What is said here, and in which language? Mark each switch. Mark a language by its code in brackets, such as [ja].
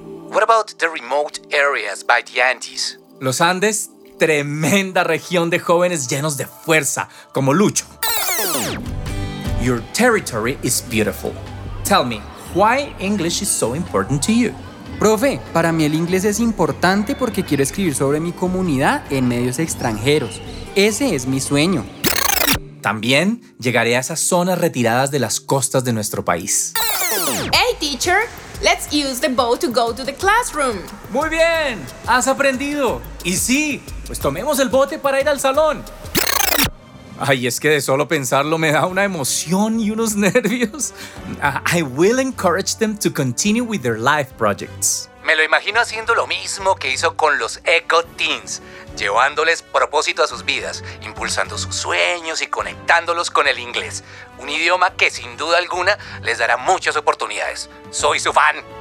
[en] What about the remote areas by the Andes? [es] Los Andes, tremenda región de jóvenes llenos de fuerza, como Lucho. [en] Your territory is beautiful. Tell me, why English is so important to you? [es] Profe, para mí el inglés es importante porque quiero escribir sobre mi comunidad en medios extranjeros. Ese es mi sueño. También llegaré a esas zonas retiradas de las costas de nuestro país. [en] Hey, teacher, let's use the boat to go to the classroom. [es] Muy bien, has aprendido. Y sí, pues tomemos el bote para ir al salón. Ay, es que de solo pensarlo me da una emoción y unos nervios. [en] I will encourage them to continue with their life projects. [es] Me lo imagino haciendo lo mismo que hizo con los Eco Teens, llevándoles propósito a sus vidas, impulsando sus sueños y conectándolos con el inglés. Un idioma que sin duda alguna les dará muchas oportunidades. ¡Soy su fan!